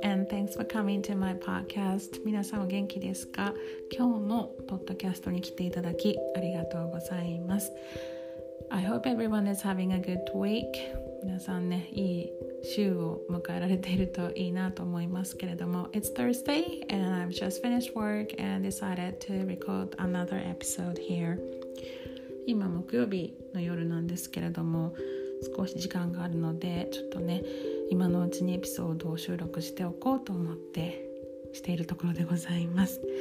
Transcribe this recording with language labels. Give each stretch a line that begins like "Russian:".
English: Thanks for coming to my podcast.
Japanese: 皆さんお元気ですか？今日もポッドキャストに来ていただきありがとうございます。
English: I hope everyone is having a good week.
Japanese: 皆さんね、いい週を迎えられているといいなと思いますけれども。
English: It's Thursday and I've just finished work and decided to record another episode here.
Japanese: 今木曜日の夜なんですけれども、少し時間があるのでちょっとね、今のうちにエピソードを収録しておこうと思ってしているところでございます。